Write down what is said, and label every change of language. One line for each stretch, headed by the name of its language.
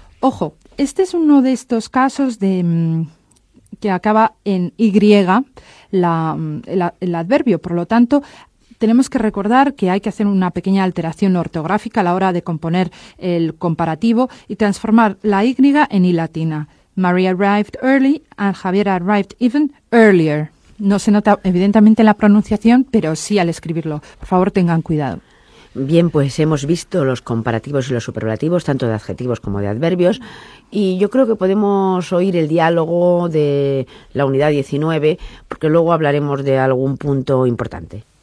Spanish: Ojo, este es uno de estos casos de que acaba en Y el adverbio, por lo tanto tenemos que recordar que hay que hacer una pequeña alteración ortográfica a la hora de componer el comparativo y transformar la Y en I latina.
English: Mary arrived early and Javier arrived even earlier.
Spanish: No se nota evidentemente en la pronunciación, pero sí al escribirlo. Por favor, tengan cuidado. Bien, pues hemos visto los comparativos y los superlativos, tanto de adjetivos como de adverbios, y yo creo que podemos oír el diálogo de la unidad 19, porque luego hablaremos de algún punto importante.